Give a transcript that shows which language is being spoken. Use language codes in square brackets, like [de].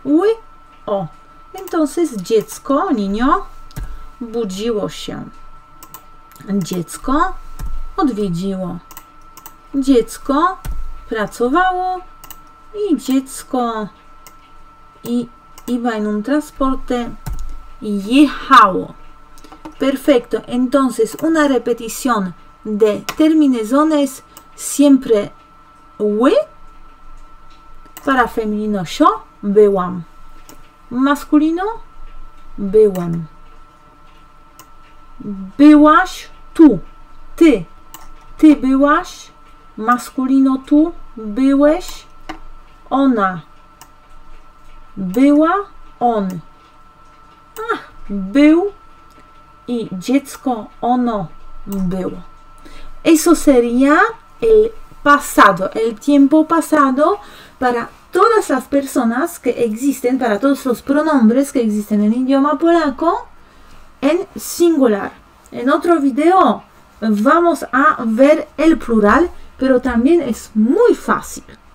[es] Uy, o, entonces dziecko, niño, [pl] budziło się. Dziecko odwiedziło. Dziecko pracowało i dziecko... [es] Y iba en un transporte y jechało. Perfecto. Entonces, una repetición de terminaciones siempre we. Para femenino, yo byłam. Masculino, byłem. Byłaś, tú. [pl] Ty. Ty byłaś. [es] Masculino, tú. Byłeś. Ona. Była, on. Ah, [pl] był i dziecko, ono, było. [es] Eso sería pasado, el tiempo pasado para todas las personas que existen, para todos los pronombres que existen en idioma polaco en singular. En otro video vamos a ver el plural, pero también es muy fácil.